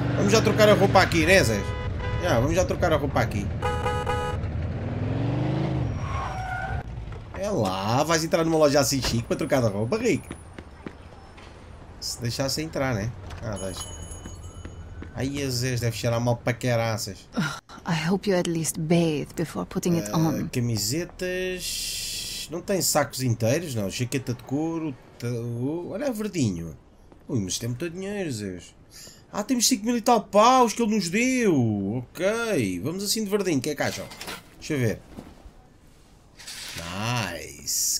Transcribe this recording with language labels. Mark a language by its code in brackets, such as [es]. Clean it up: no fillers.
[pt] Vamos já trocar a roupa aqui, né, Zé? Já, vamos já trocar a roupa aqui. É lá, vais entrar numa loja assim chique para trocar de roupa, Rico. Se deixasse entrar, né? Ah, deixa. Aí a Zez deve cheirar mal para caraças. [en] I hope you at least bathe before putting it on. [pt] Camisetas. Não tem sacos inteiros, não. Jaqueta de couro. Olha, verdinho. Ui, mas tem muito dinheiro, Zeus. Ah, temos 5 mil e tal paus que ele nos deu. Ok, vamos assim de verdinho. O que é que acham? Deixa eu ver. Nice.